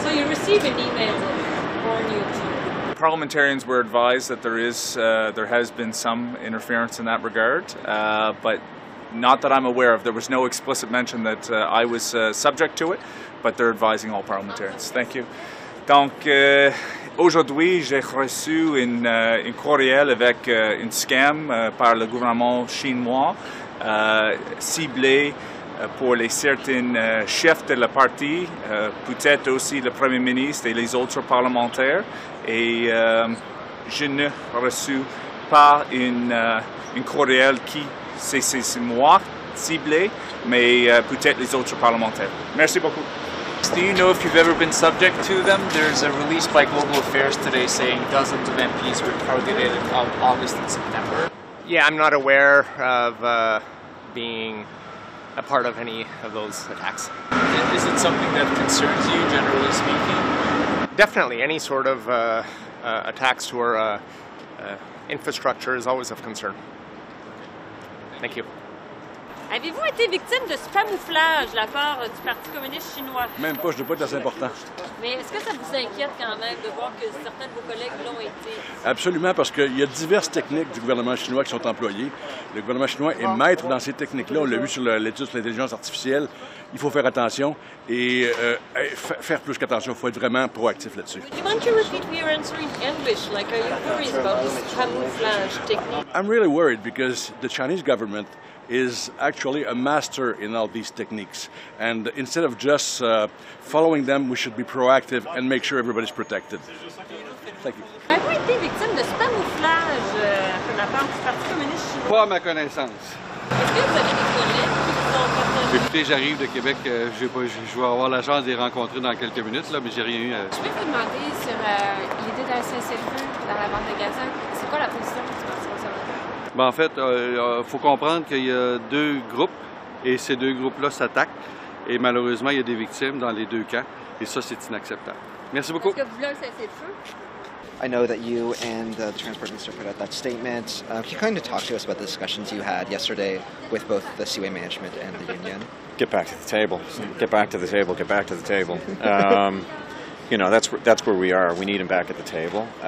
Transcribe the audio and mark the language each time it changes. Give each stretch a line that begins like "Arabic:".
English: So you receive an email on YouTube? Parliamentarians were advised that there has been some interference in that regard, but not that I'm aware of. There was no explicit mention that I was subject to it, but they're advising all parliamentarians. Thank you.
French: Donc, aujourd'hui, j'ai reçu un courriel avec un scam par le gouvernement chinois ciblé pour les certains chefs de la parti, peut-être aussi le premier ministre et les autres parlementaires. Et je n'ai reçu pas un courriel qui c'est moi ciblé, mais peut-être les autres parlementaires. Merci beaucoup.
English: Do you know if you've ever been subject to them? There's a release by Global Affairs today saying dozens of MPs were targeted in August and September. Yeah, I'm not aware of being a part of any of those attacks. Is it something that concerns you, generally speaking? Definitely. Any sort of attacks to our infrastructure is always of concern. Thank you.
French: Avez-vous été victime de spamouflage de la part du Parti communiste chinois? Même pas, je ne dis pas que c'est important. Mais est-ce que ça vous inquiète quand même de voir que certains de vos collègues l'ont été? Absolument, parce qu'il y a diverses techniques du gouvernement chinois qui sont employées. Le gouvernement chinois est maître dans ces techniques-là. On l'a vu sur l'étude sur l'intelligence artificielle. Il faut faire attention et faire plus qu'attention. Il faut être vraiment proactif là-dessus.
English: Do you want to repeat your answer in English? Like, are you worried about this camouflage technique? I'm really worried because the Chinese government is actually a master in all these techniques. And instead of just following them, we should be proactive and make sure everybody's protected. Thank you. Have you been victim of spamouflage from the part of the Parti communist chinois?
French: Pas à ma connaissance. Est-ce que vous avez des collègues qui sont... Écoutez, j'arrive de Québec. Je vais avoir la chance de les rencontrer dans quelques minutes, là, mais j'ai rien eu. Je vais vous demander sur l'idée d'un cessez-le-feu dans la bande de Gaza. C'est quoi la position du Parti conservateur? Ben en fait, faut comprendre qu'il y a deux groupes et ces deux groupes-là s'attaquent. Et malheureusement, il y a des victimes dans les deux camps. Et ça, c'est inacceptable. Merci beaucoup. Est-ce que vous voulez un cessez-le-feu?
English: I know that you and the transport minister put out that statement. Can you kind of talk to us about the discussions you had yesterday with both the Seaway Management and the union? Get back to the table. Get back to the table. Get back to the table. You know, that's where we are. We need him back at the table.